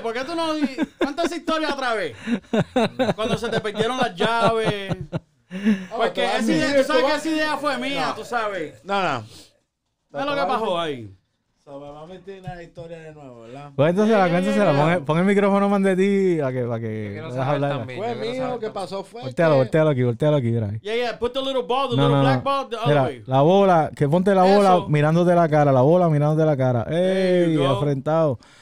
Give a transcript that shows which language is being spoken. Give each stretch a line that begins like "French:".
Spanish: ¿Por qué tú no cuántas historias otra vez? Cuando se te perdieron las llaves. Porque esa idea, tú sabes que esa idea fue mía, no, tú sabes. No. ¿Qué es lo que pasó ahí? Me va a meter una historia de nuevo, ¿verdad? Pues entonces, cuéntasela. Pon el micrófono más de ti para que dejes hablar. Pues mío, lo que pasó fue Voltealo aquí, mira.
English: Yeah, put the little ball, the little black ball the other way.
Spanish: La bola, que ponte la bola mirándote la cara, ¡Ey, afrentado!